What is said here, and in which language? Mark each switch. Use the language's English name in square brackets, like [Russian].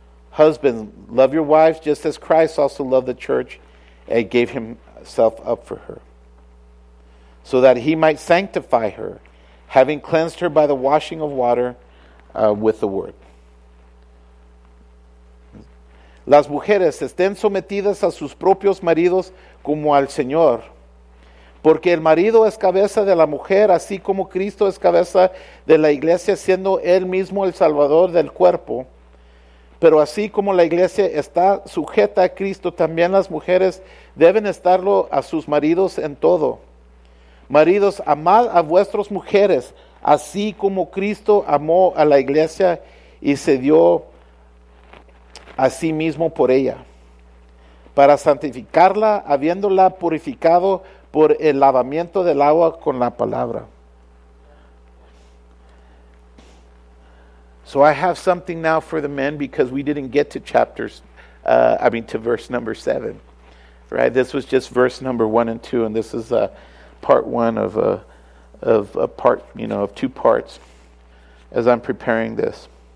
[English] Husbands, love your wives just as Christ also loved the church and gave himself up for her, so that he might sanctify her, having cleansed her by the washing of water with the word. [Spanish] Las mujeres estén sometidas a sus propios maridos como al Señor, porque el marido es cabeza de la mujer, así como Cristo es cabeza de la iglesia, siendo él mismo el salvador del cuerpo. Pero así como la iglesia está sujeta a Cristo, también las mujeres deben estarlo a sus maridos en todo. Maridos, amad a vuestras mujeres, así como Cristo amó a la iglesia y se dio a sí mismo por ella, para santificarla, habiéndola purificado por el lavamiento del agua con la palabra. [English] So I have something now for the men, because we didn't get to verse number 7. Right? This was just verse number 1 and 2, and this is part 1 of two parts as I'm preparing this.